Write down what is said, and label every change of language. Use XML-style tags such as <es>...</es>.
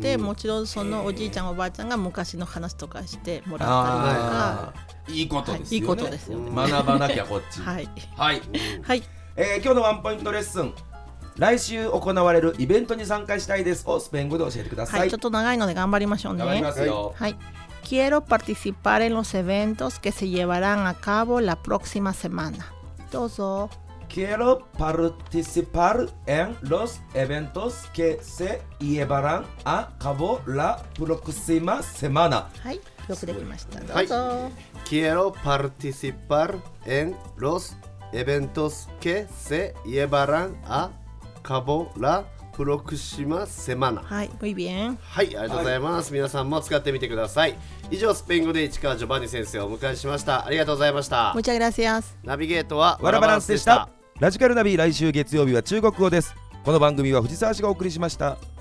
<ja>でもちろんそのおじいちゃんおばあちゃんが昔の話とかしてもらったりとか。いいことですよね、はい、いいことですよね。学ばなきゃこっち。はい、はい、はい、今日のワンポイントレッスン、来週行われるイベントに参加したいですをスペイン語で教えてください。はい、ちょっと長いので頑張りましょうね。頑張りますよ。</ja> <es>はい、quiero participar en los eventos que se llevarán a cabo la próxima semana.</es> <ja>どうぞ。</ja> <es>Quiero participar en los eventos que se llevarán a cabo la próxima semana.</es> <ja>はい、よくできました。はい。</ja> <es>Quiero participar en los eventos que se llevarán a cabo la próxima semana. はい、muy bien。</es> <ja>はい、ありがとうございます。皆さんも使ってみてください。以上、スペイン語で市川ジョバンニ先生をお迎えしました。ありがとうございました。</ja> <es>Muchas gracias。</es> <ja>ナビゲートはワラバランスでした。ラジカルナビ、来週月曜日は中国語です。この番組は藤沢氏がお送りしました。</ja>